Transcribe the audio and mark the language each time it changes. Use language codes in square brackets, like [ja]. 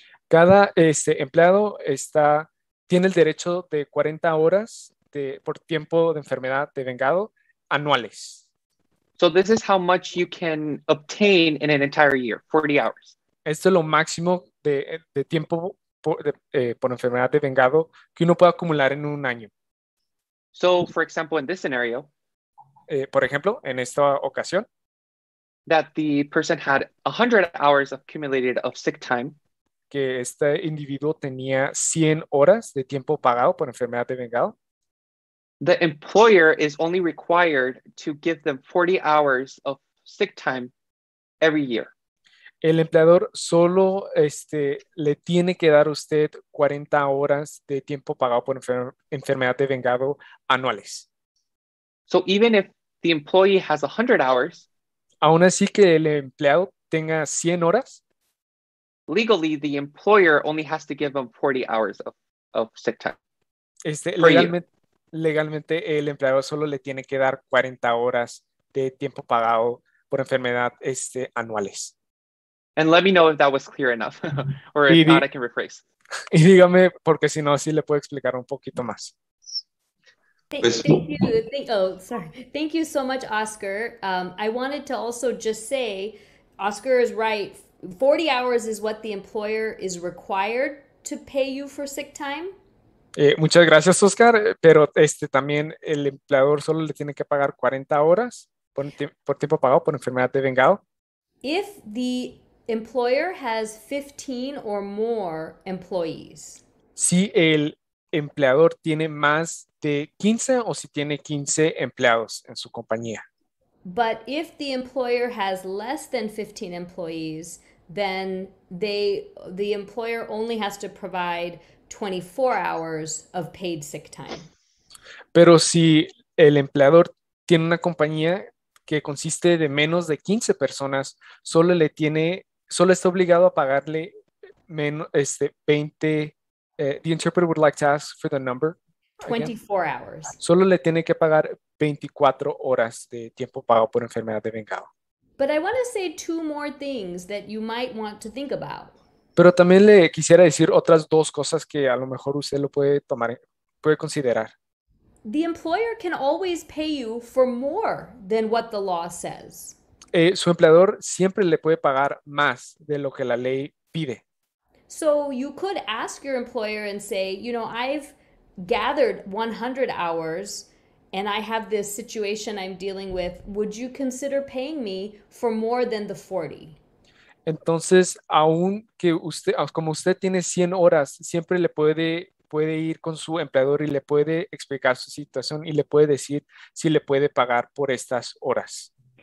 [es] Cada empleado tiene el derecho de 40 horas por tiempo de enfermedad de vengado anuales. [en] So this is how much you can obtain in an entire year, 40 hours. [es] Esto es lo máximo de tiempo por enfermedad de vengado que uno puede acumular en un año. [en] So, for example, in this scenario, [es] por ejemplo, en esta ocasión, [en] that the person had 100 hours accumulated of sick time, [es] que este individuo tenía 100 horas de tiempo pagado por enfermedad de vengado, [en] the employer is only required to give them 40 hours of sick time every year. [es] El empleador solo le tiene que dar a usted 40 horas de tiempo pagado por enfermedad de vengado anuales. [en] So even if the employee has 100 hours, [es] aun así que el empleado tenga 100 horas? [en] Legally, the employer only has to give them 40 hours of sick time. [es] Legalmente, el empleado solo le tiene que dar 40 horas de tiempo pagado por enfermedad anuales. [en] And let me know if that was clear enough, or if not, I can rephrase. [es] Y dígame, porque si no, sí le puedo explicar un poquito más. [en] Thank you so much, Oscar. I wanted to also just say, Oscar is right. 40 hours is what the employer is required to pay you for sick time. [es] Muchas gracias, Oscar, pero también el empleador solo le tiene que pagar 40 horas por tiempo pagado por enfermedad de vengado. [en] If the employer has 15 or more employees. [es] Si el empleador tiene más de 15 o si tiene 15 empleados en su compañía. [en] But if the employer has less than 15 employees, then the employer only has to provide 24 hours of paid sick time. [es] Pero si el empleador tiene una compañía que consiste de menos de 15 personas, solo está obligado a pagarle menos 20. [en] The interpreter would like to ask for the number. 24 again. Hours. [es] Solo le tiene que pagar 24 horas de tiempo pagado por enfermedad de vengado. [en] But I want to say two more things that you might want to think about. [es] Pero también le quisiera decir otras dos cosas que a lo mejor usted lo puede considerar. [en] The employer can always pay you for more than what the law says. [es] Su empleador siempre le puede pagar más de lo que la ley pide. [en] So you could ask your employer and say, you know, I've gathered 100 hours and I have this situation I'm dealing with. Would you consider paying me for more than the 40? [es] Entonces, aunque usted, como usted tiene 100 horas, siempre le puede ir con su empleador y le puede explicar su situación y le puede decir si le puede pagar por estas horas.